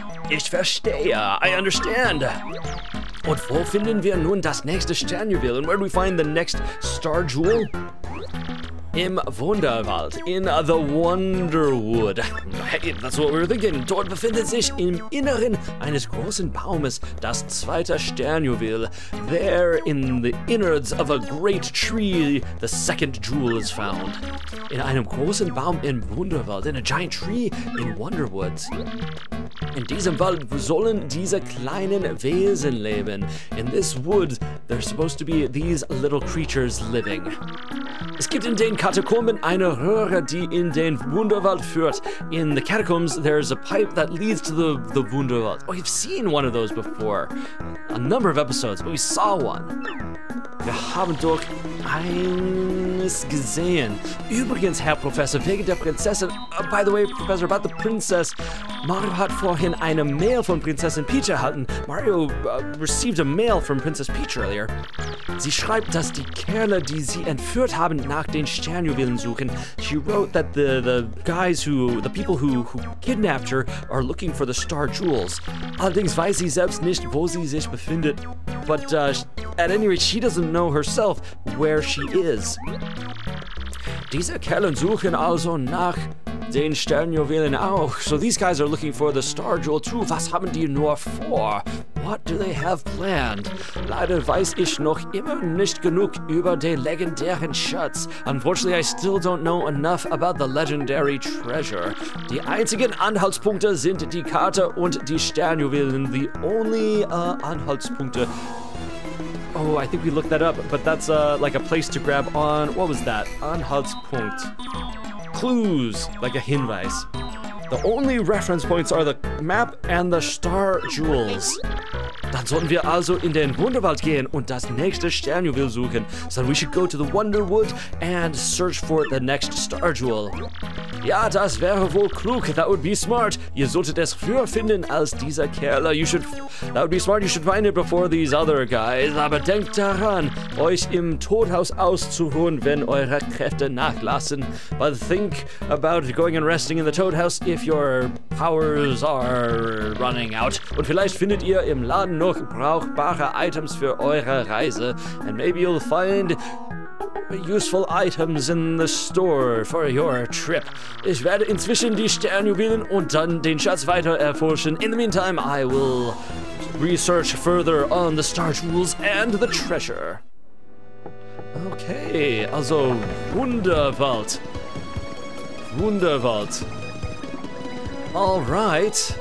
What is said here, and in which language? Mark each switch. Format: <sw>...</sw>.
<de>Ich verstehe.</de> <en>I understand.</en> <de>Und wo finden wir nun das nächste Sternjuwel?</de> <en>And where do we find the next star jewel?</en> <de>Im Wunderwald.</de> <en>In the Wonderwood. Hey, that's what we were thinking.</en> <de>Dort befindet sich im Inneren eines großen Baumes das zweite Sternjuwel.</de> <en>There in the innards of a great tree, the second jewel is found.</en> <de>In einem großen Baum im Wunderwald.</de> <en>In a giant tree in Wonderwoods.</en> <de>In diesem Wald sollen diese kleinen Wesen leben.</de> <en>In this wood, there's supposed to be these little creatures living.</en> <de>Es gibt in den Katakomben eine Röhre, die in den Wunderwald führt.</de> <en>In the catacombs, there's a pipe that leads to the Wunderwald. Oh, you've seen one of those before. A number of episodes, but we saw one.</en> <de>Wir haben doch eines gesehen. Übrigens, Herr Professor, wegen der Prinzessin.</de> <en>By the way, Professor, about the princess.</en> <de>Mario hat vorhin eine Mail von Prinzessin Peach erhalten.</de> <en>Mario received a mail from Princess Peach earlier.</en> <de>Sie schreibt, dass die Kerle, die sie entführt haben, nach den Sternjuwelen suchen.</de> <en>She wrote that the people who kidnapped her are looking for the star jewels.</en> <de>Allerdings weiß sie selbst nicht, wo sie sich befindet.</de> <en>But at any rate, she doesn't know herself where she is.</en> <de>Diese Kerle suchen also nach den Sternjuwelen auch.</de> <en>So these guys are looking for the star jewel too.</en> <de>Was haben die nur vor?</de> <en>What do they have planned?</en> <de>Leider weiß ich noch immer nicht genug über den legendären Schatz.</de> <en>Unfortunately, I still don't know enough about the legendary treasure.</en> <de>Die einzigen Anhaltspunkte sind die Karte und die Sternjuwelen.</de> <en>The only Anhaltspunkte. Oh, I think we looked that up, but that's like a place to grab on. What was that? Anhaltspunkt. Clues, like a Hinweis. The only reference points are the map and the star jewels.</en> <de>Dann sollten wir also in den Wunderwald gehen und das nächste Sternjuwel suchen.</de> <en>So we should go to the Wonderwood and search for the next star jewel.</en> <de>Ja, das wäre wohl klug.</de> <en>That would be smart.</en> <de>Ihr solltet es früher finden als dieser Kerl.</de> <en>That would be smart. You should find it before these other guys.</en> <de>Aber denkt daran, euch im Todhaus auszuruhen, wenn eure Kräfte nachlassen.</de> <en>But think about going and resting in the Todhaus if your powers are running out.</en> <de>Und vielleicht findet ihr im Laden noch brauchbare Items für eure Reise.</de> <en>And maybe you'll find useful items in the store for your trip.</en> <de>Ich werde inzwischen die Sternjuwelen und dann den Schatz weiter erforschen.</de> <en>In the meantime, I will research further on the star jewels and the treasure. Okay, also Wunderwald. Wunderwald. All right.</en>